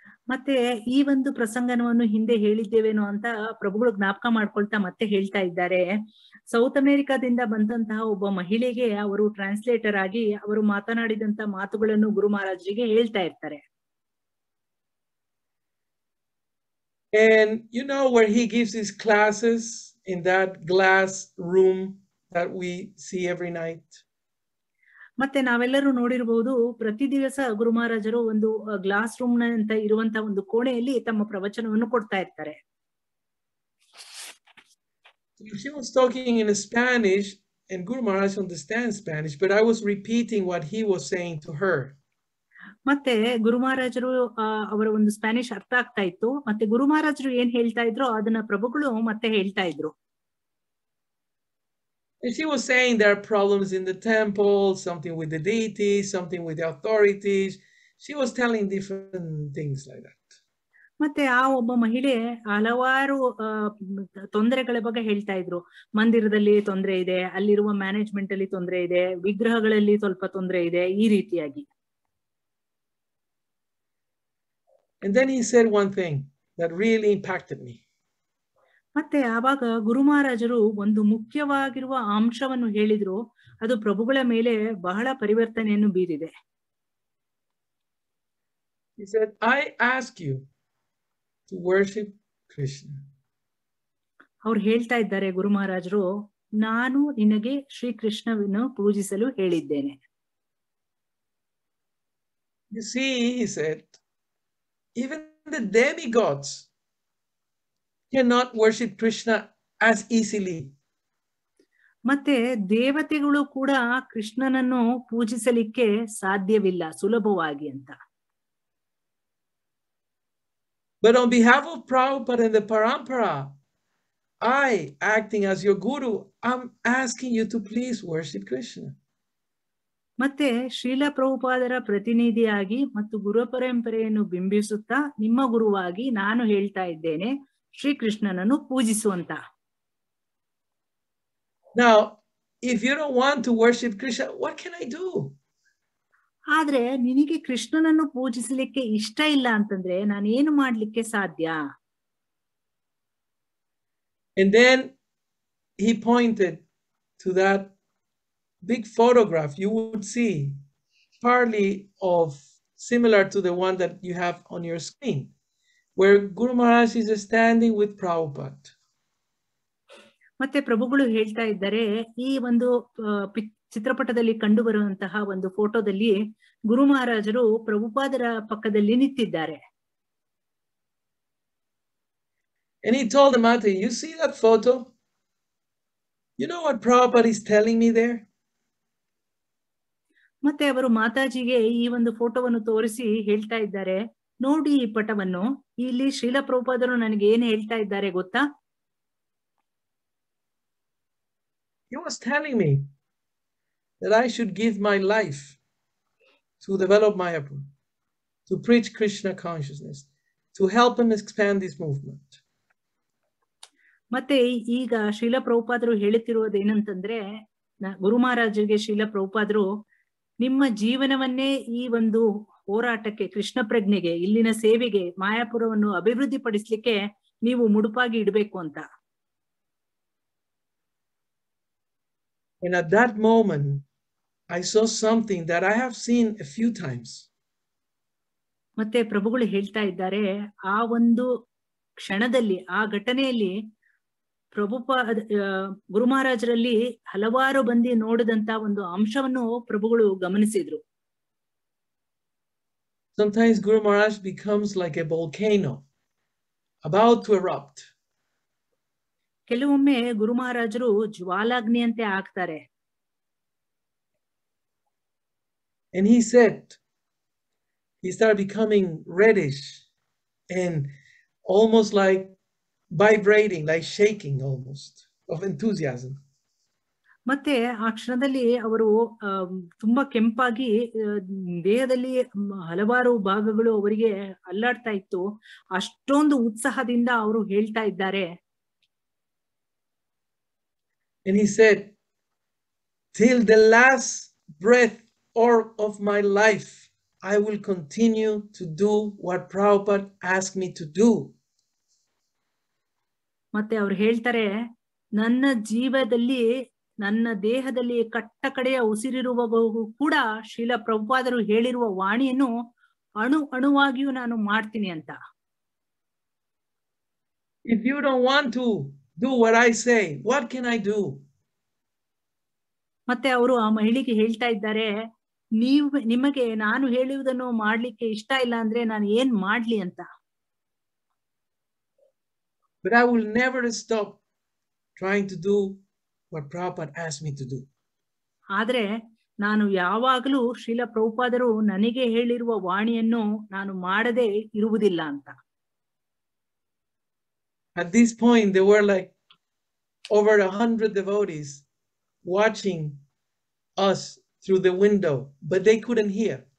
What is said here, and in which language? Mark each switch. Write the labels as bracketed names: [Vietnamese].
[Kannada] ಮತ್ತೆ ಈ ಒಂದು ಪ್ರಸಂಗನವನ್ನು ಹಿಂದೆ ಹೇಳಿದ್ದೇವೇನು ಅಂತ ಪ್ರಭುಗಳು ಜ್ಞಾಪಕ ಮಾಡ್ಕೊಳ್ತಾ ಮತ್ತೆ ಹೇಳ್ತಾ ಇದ್ದಾರೆ. ಸೌತ್ ಅಮೆರಿಕಾದಿಂದ ಬಂದಂತಹ ಒಬ್ಬ ಮಹಿಳೆಗೆ ಅವರು ಟ್ರಾನ್ಸ್ಲೇಟರ್ ಆಗಿ ಅವರು ಮಾತನಾಡಿದಂತ ಮಾತುಗಳನ್ನು ಗುರು ಮಹಾರಾಜರಿಗೆ ಹೇಳ್ತಾ ಇರ್ತಾರೆ. [English] And you know where he gives his classes, in that glass room that we see every night. [Kannada] ಮತ್ತೆ ನಾವೆಲ್ಲರೂ ನೋಡಿರಬಹುದು, ಪ್ರತಿ ದಿವಸ ಗುರು ಮಹಾರಾಜರು ಒಂದು ಗ್ಲಾಸ್ ರೂಮ್ ಅಂತ ಇರುವಂತ ಒಂದು ಕೋಣೆಯಲ್ಲಿ ತಮ್ಮ ಪ್ರವಚನವನ್ನು ಕೊಡ್ತಾ ಇರ್ತಾರೆ. [English] She was talking in Spanish and Guru Maharaj understands Spanish, but I was repeating what he was saying to her. [Kannada] ಮತ್ತೆ ಗುರು ಮಹಾರಾಜರು ಅವರ ಒಂದು ಸ್ಪ್ಯಾನಿಶ್ ಅರ್ಥ ಆಗ್ತಾ ಇತ್ತು, ಮತ್ತೆ ಗುರು ಮಹಾರಾಜರು ಏನ್ ಹೇಳ್ತಾ ಇದ್ರು ಅದನ್ನ ಪ್ರಭುಗಳು ಮತ್ತೆ ಹೇಳ್ತಾ ಇದ್ರು. [English] And she was saying there are problems in the temple, something with the deity, something with the authorities. She was telling different things like that. [Kannada] ಮತ್ತೆ ಆ ಒಬ್ಬ ಮಹಿಳೆ ಹಲವಾರು ತೊಂದರೆಗಳ ಬಗ್ಗೆ ಹೇಳ್ತಾ ಇದ್ರು. ಮಂದಿರದಲ್ಲಿ ತೊಂದರೆ ಇದೆ, ಅಲ್ಲಿರುವ ಮ್ಯಾನೇಜ್ಮೆಂಟ್ ಅಲ್ಲಿ ತೊಂದರೆ ಇದೆ, ವಿಗ್ರಹಗಳಲ್ಲಿ ಸ್ವಲ್ಪ ತೊಂದರೆ ಇದೆ, ಈ ರೀತಿಯಾಗಿ. [English] And then he said one thing that really impacted me. [Kannada] ಮತ್ತೆ ಆವಾಗ ಗುರು ಮಹಾರಾಜರು ಒಂದು ಮುಖ್ಯವಾಗಿರುವ ಅಂಶವನ್ನು ಹೇಳಿದ್ರು, ಅದು ಪ್ರಭುಗಳ ಮೇಲೆ ಬಹಳ ಪರಿವರ್ತನೆಯನ್ನು ಬೀರಿದೆ. [English] He said, I ask you to worship Krishna. [Kannada] ಅವ್ರು ಹೇಳ್ತಾ ಇದ್ದಾರೆ ಗುರು ಮಹಾರಾಜರು, ನಾನು ನಿನಗೆ ಶ್ರೀ ಕೃಷ್ಣವನ್ನು ಪೂಜಿಸಲು ಹೇಳಿದ್ದೇನೆ. [English] You see, he said, even the demigods cannot worship Krishna as easily. [Kannada] ಮತ್ತೆ ದೇವತೆಗಳು ಕೂಡ ಕೃಷ್ಣನನ್ನು ಪೂಜಿಸಲಿಕ್ಕೆ ಸಾಧ್ಯವಿಲ್ಲ ಸುಲಭವಾಗಿ ಅಂತ. [English] But on behalf of Prabhupada and the Parampara, I, acting as your guru, I'm asking you to please worship Krishna. [Kannada] ಮತ್ತೆ ಶ್ರೀಲ ಪ್ರಭುಪಾದರ ಪ್ರತಿನಿಧಿಯಾಗಿ ಮತ್ತು ಗುರು ಪರಂಪರೆಯನ್ನು ಬಿಂಬಿಸುತ್ತಾ ನಿಮ್ಮ ಗುರುವಾಗಿ ನಾನು ಹೇಳ್ತಾ ಇದ್ದೇನೆ ಶ್ರೀಕೃಷ್ಣನನ್ನು ಪೂಜಿಸುವಂತ. [English] Now, if you don't want to worship Krishna, what can I do? [Kannada] ಆದ್ರೆ ನಿನಗೆ ಕೃಷ್ಣನನ್ನು ಪೂಜಿಸಲಿಕ್ಕೆ ಇಷ್ಟ ಇಲ್ಲ ಅಂತಂದ್ರೆ ನಾನು ಏನು ಮಾಡ್ಲಿಕ್ಕೆ ಸಾಧ್ಯ? [English] And then he pointed to that big photograph you would see, partly of similar to the one that you have on your screen, where Guru Maharaj is standing with Prabhupada. [Kannada] ಮತ್ತೆ ಪ್ರಭುಗಳು ಹೇಳ್ತಾ ಇದ್ದಾರೆ, ಈ ಒಂದು ಚಿತ್ರಪಟದಲ್ಲಿ ಕಂಡು ಬರುವಂತಹ ಒಂದು ಫೋಟೋದಲ್ಲಿ ಗುರು ಮಹಾರಾಜರು ಪ್ರಭುಪಾದರ ಪಕ್ಕದಲ್ಲಿ ನಿಂತಿದ್ದಾರೆ. [English] And he told the Mate, you see that photo? You know what Prabhupada is telling me there? [Kannada] ಮತ್ತೆ ಅವರು ಮಾತಾಜಿಗೆ ಈ ಒಂದು ಫೋಟೋವನ್ನು ತೋರಿಸಿ ಹೇಳ್ತಾ ಇದ್ದಾರೆ, ನೋಡಿ ಈ ಪಟವನ್ನು, ಇಲ್ಲಿ ಶ್ರೀಲ ಪ್ರಭುಪಾದರು ನನಗೆ ಏನು ಹೇಳ್ತಾ ಇದ್ದಾರೆ ಗೊತ್ತಾ? [English] He was telling me that I should give my life to develop Mayapur, to preach Krishna consciousness, to help him expand this movement. [Kannada] ಮತ್ತೆ ಈಗ ಶ್ರೀಲ ಪ್ರಭುಪಾದರು ಹೇಳುತ್ತಿರುವುದು ಏನಂತಂದ್ರೆ, ಗುರು ಮಹಾರಾಜರಿಗೆ ಶ್ರೀಲ ಪ್ರಭುಪಾದರು ನಿಮ್ಮ ಜೀವನವನ್ನೇ ಈ ಒಂದು ಹೋರಾಟಕ್ಕೆ, ಕೃಷ್ಣ ಪ್ರಜ್ಞೆಗೆ, ಇಲ್ಲಿನ ಸೇವೆಗೆ, ಮಾಯಾಪುರವನ್ನು ಅಭಿವೃದ್ಧಿ ಪಡಿಸ್ಲಿಕ್ಕೆ ನೀವು ಮುಡುಪಾಗಿ ಇಡಬೇಕು ಅಂತ. [English] And at that moment, I saw something that I have seen a few times. [Kannada] ಮತ್ತೆ ಪ್ರಭುಗಳು ಹೇಳ್ತಾ ಇದ್ದಾರೆ, ಆ ಒಂದು ಕ್ಷಣದಲ್ಲಿ, ಆ ಘಟನೆಯಲ್ಲಿ ಪ್ರಭುಪಾದ ಗುರು ಮಹಾರಾಜರಲ್ಲಿ ಹಲವಾರು ಬಂದು ನೋಡಿದಂತ ಒಂದು ಅಂಶವನ್ನು ಪ್ರಭುಗಳು ಗಮನಿಸಿದ್ರು. [English] Sometimes Guru Maharaj becomes like a volcano about to erupt. [Kannada] ಕೆಲವೊಮ್ಮೆ ಗುರು ಮಹಾರಾಜರು ಜ್ವಾಲಾಗ್ನಿಯಂತೆ ಆಗ್ತಾರೆ. [English] And he said, he started becoming reddish and almost like vibrating, like shaking almost of enthusiasm. [Kannada] ಮತ್ತೆ ಆ ಕ್ಷಣದಲ್ಲಿ ಅವರು ತುಂಬಾ ಕೆಂಪಾಗಿ ದೇಹದಲ್ಲಿ ಹಲವಾರು ಭಾಗಗಳು ಅವರಿಗೆ ಅಲ್ಲಾಡ್ತಾ ಇತ್ತು. ಅಷ್ಟೊಂದು ಉತ್ಸಾಹದಿಂದ ಅವರು ಹೇಳ್ತಾ ಇದ್ದಾರೆ. [English] And he said, till the last breath or of my life, I will continue to do what Prabhupada asked me to do. [Kannada] ಮತ್ತೆ ಅವ್ರು ಹೇಳ್ತಾರೆ, ನನ್ನ ಜೀವದಲ್ಲಿ, ನನ್ನ ದೇಹದಲ್ಲಿ ಕಟ್ಟ ಕಡೆಯ ಉಸಿರಿರುವವರು ಕೂಡ ಶ್ರೀಲ ಪ್ರಭುಪಾದರು ಹೇಳಿರುವ ವಾಣಿಯನ್ನು ಅಣು ಅಣುವಾಗಿಯೂ ನಾನು ಮಾಡ್ತೀನಿ ಅಂತ. [English] If you don't want to do what I say, what can I do? [Kannada] ಮತ್ತೆ ಅವರು ಆ ಮಹಿಳೆಗೆ ಹೇಳ್ತಾ ಇದ್ದಾರೆ, ನೀವು ನಿಮಗೆ ನಾನು ಹೇಳುವುದನ್ನು ಮಾಡ್ಲಿಕ್ಕೆ ಇಷ್ಟ ಇಲ್ಲ ಅಂದ್ರೆ ನಾನು ಏನ್ ಮಾಡ್ಲಿ ಅಂತ. [English] But I will never stop trying to do what Prabhupada asked me to do. [Kannada] ಆದ್ರೆ ನಾನು ಯಾವಾಗಲೂ ಶ್ರೀಲ ಪ್ರಭುಪಾದರು ನನಗೆ ಹೇಳಿರುವ ವಾಣಿಯನ್ನು ನಾನು ಮಾಡದೆ ಇರುವುದಿಲ್ಲ ಅಂತ. [English] At this point, there were like over 100 devotees watching us through the window, but they couldn't hear.